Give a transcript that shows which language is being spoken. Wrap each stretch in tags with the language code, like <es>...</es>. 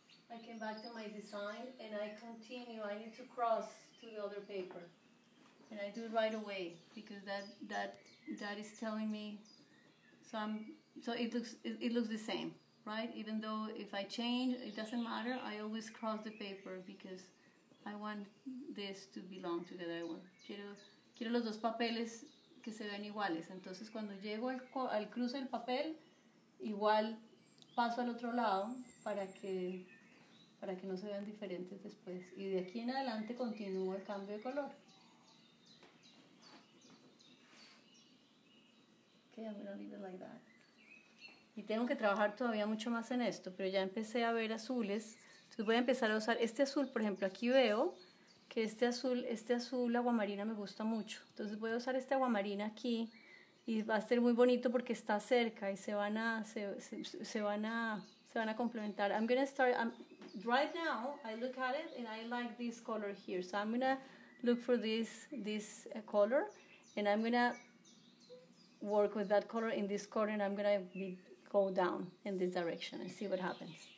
<en>I came back to my design and I continue. I need to cross to the other paper. And I do it right away because that is telling me. So it looks the same, right? Even though if I change, it doesn't matter. I always cross the paper because I want this to belong together. I want</en> <es>quiero los dos papeles que se vean iguales. Entonces cuando llego al cruce del papel, igual paso al otro lado para que no se vean diferentes después. Y de aquí en adelante continúo el cambio de color.</es> <en>Okay, I'm gonna leave it like that.</en> <es>Y tengo que trabajar todavía mucho más en esto, pero ya empecé a ver azules. Entonces voy a empezar a usar este azul. Por ejemplo, aquí veo que este azul aguamarina me gusta mucho. Entonces voy a usar este aguamarina aquí y va a ser muy bonito porque está cerca y se van a complementar.</es> <en>I'm gonna start. Right now, I look at it and I like this color here. So I'm gonna look for this color and I'm gonna work with that color in this corner, and I'm gonna go down in this direction and see what happens.</en>